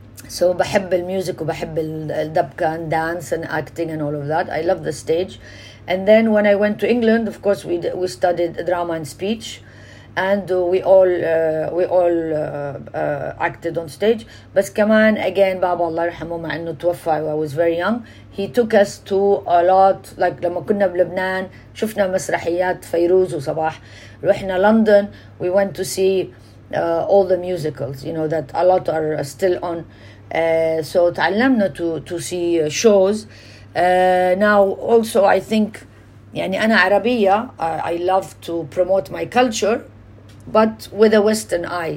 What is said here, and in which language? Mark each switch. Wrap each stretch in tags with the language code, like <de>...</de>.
<en>So</en> <ar>بحب الميوزك وبحب الدبكة</ar> <en>and dance and acting and all of that. I love the stage. And then when I went to England, of course, we studied drama and speech. And we all acted on stage.</en> <ar>But كمان, again, بابا الله يرحمه مع أنه توفى,</ar> <en>I was very young. He took us to a lot, like</en> <ar>لما كنا بلبنان شفنا مسرحيات فيروز وصباح, رحنا لندن,</ar> <en>we went to see all the musicals, you know, that a lot are still on. So</en> <ar>تعلمنا</ar> <en>to see shows. Now also I think,</en> <ar>يعني أنا عربية,</ar> <en>I love to promote my culture, but with a Western eye.</en>